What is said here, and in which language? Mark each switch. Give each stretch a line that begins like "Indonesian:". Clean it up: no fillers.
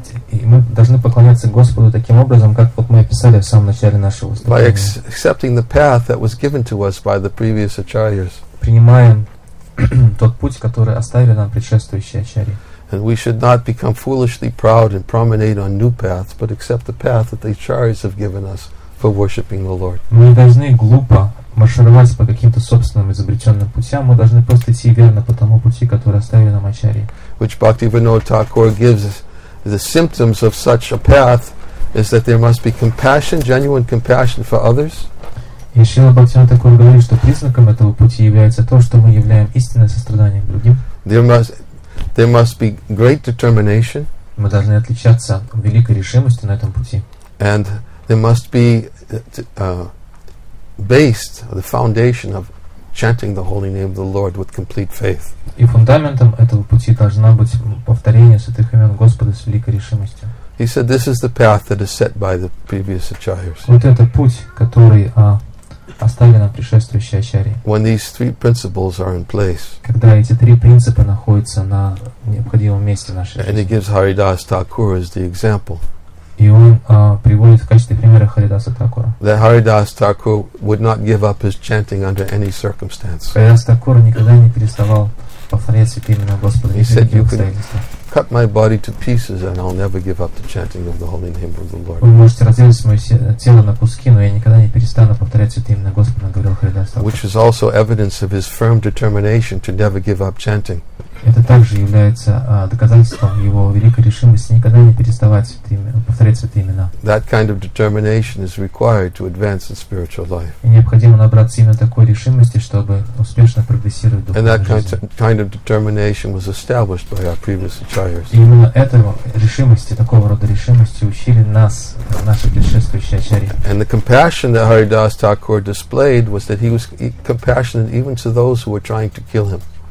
Russian: И мы должны поклоняться Господу таким образом, как вот мы описали в самом начале нашего выступления.
English: By accepting the path that was given to us by the previous acharyas.
Russian: Принимаем тот путь, который оставили нам предшествующие ачарьи.
English: And we should not become foolishly proud and promenade on new paths, but accept the path that the acharyas have given us for worshiping the Lord.
Russian: Мы не должны глупо маршировать по каким-то собственным изобретенным путям, мы должны просто идти верно по тому пути, который оставили нам ачарьи.
English: Which Bhaktivinoda Thakur gives the symptoms of such a path is that there must be compassion, genuine compassion for others.
Russian: И Шрила Бхактивинода Такур говорит, что признаком этого пути является то, что мы являем истинное сострадание к другим.
English: There must be great determination.
Russian: Мы должны отличаться великой решимостью на этом пути.
English: And there must be based the foundation of chanting the holy name of the Lord with complete faith.
Russian: И фундаментом этого пути должна быть повторение святых имен Господа с великой решимостью.
English: He said, this is the path that is set by the previous acharyas.
Russian: Вот это путь, который оставили нам предшествующие ачарьи.
English: When these three principles are in place,
Russian: когда эти три принципа находятся на необходимом месте в нашей жизни.
English: And he gives Haridasa Thakur as the example.
Russian: И он приводит в качестве примера Харидаса Такура.
English: That Haridasa Thakur would not give up his chanting under any circumstance.
Russian: Харидаса Такура никогда не переставал повторять святые имена Господа.
English: He said, cut my body to pieces and I'll never give up the chanting of the holy name of the Lord.
Russian: Вы можете разделить моё тело на куски, но я никогда не перестану повторять святое имя Господа, говорил Харидас Такур.
English: Which is also evidence of his firm determination to never give up chanting.
Russian: Это также является доказательством его великой решимости никогда не переставать святое имя, повторять святое имя.
English: That kind of determination is required to advance in spiritual life.
Russian: И необходимо набраться именно такой решимости, чтобы успешно прогрессировать в духовной жизни.
English: And that kind of determination was established by our previous acharyas.
Russian: И именно этого решимости, такого рода решимости учили нас, наши предшествующие ачарьи.
English: And the compassion that Haridas Thakur displayed was that he was compassionate even to those who were trying to kill him.